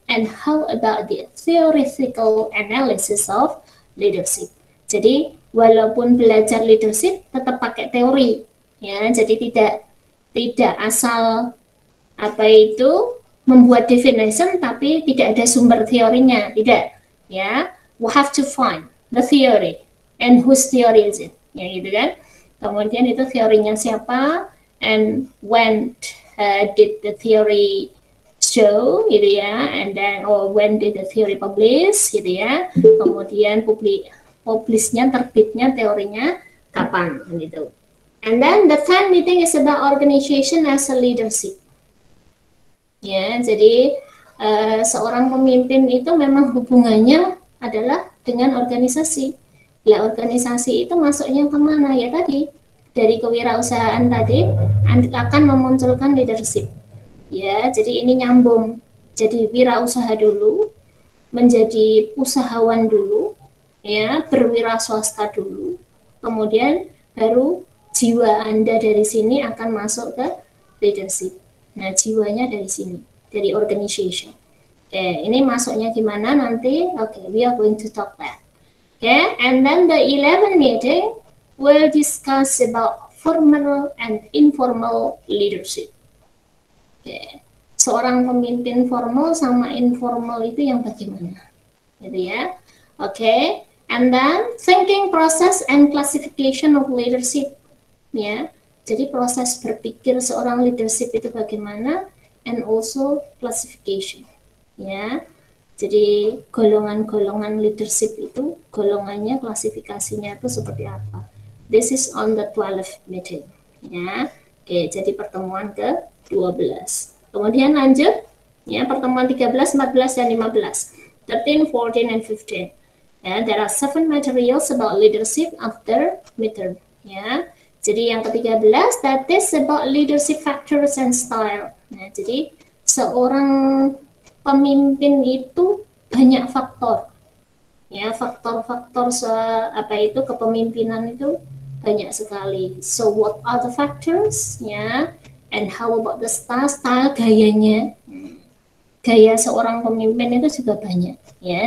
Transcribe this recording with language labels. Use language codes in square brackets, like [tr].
[en] And how about the theoretical analysis of leadership? [id] Jadi walaupun belajar leadership tetap pakai teori, ya. Jadi tidak asal apa itu membuat definition tapi tidak ada sumber teorinya, tidak, ya. [en] We have to find the theory and whose theory is it, ya, gitu kan? [id] Kemudian itu teorinya siapa [en] and when did the theory show, [id] gitu ya, [en] and then or when did the theory publish, [id] gitu ya, kemudian publish-nya, terbitnya, teorinya kapan, gitu. [en] And then the third meeting is about organization as a leadership. [id] Ya, yeah, jadi seorang pemimpin itu memang hubungannya adalah dengan organisasi. Ya, organisasi itu masuknya kemana? Ya tadi, dari kewirausahaan tadi akan memunculkan leadership. Ya, jadi ini nyambung. Jadi wira usaha dulu, menjadi usahawan dulu, ya, berwira swasta dulu, kemudian baru jiwa Anda dari sini akan masuk ke leadership. Nah, jiwanya dari sini, dari organization. Oke, okay, ini masuknya gimana nanti? [en] Oke, okay, we are going to talk that. Oke, okay, and then the 11 meeting will discuss about formal and informal leadership. Oke, okay. [id] Seorang pemimpin formal sama informal itu yang bagaimana? Gitu ya. Oke, okay. [en] And then thinking process and classification of leadership. [id] Ya, jadi proses berpikir seorang leadership itu bagaimana? [en] And also classification. [id] Ya, jadi golongan-golongan leadership itu golongannya, klasifikasinya itu seperti apa? [en] This is on the 12th meeting. [id] Ya, oke, jadi pertemuan ke 12. Kemudian lanjut, ya, pertemuan 13, 14, dan 15. [en] 13, 14, and 15. Ya, there are 7 materials about leadership after midterm. [id] Ya, jadi yang ke-13, [en] that is about leadership factors and style. [id] Ya, jadi seorang pemimpin itu banyak faktor, ya, faktor-faktor apa itu kepemimpinan itu banyak sekali. [en] So what are the factors, ya, and how about the style, [id] gayanya, gaya seorang pemimpin itu juga banyak, [en] ya.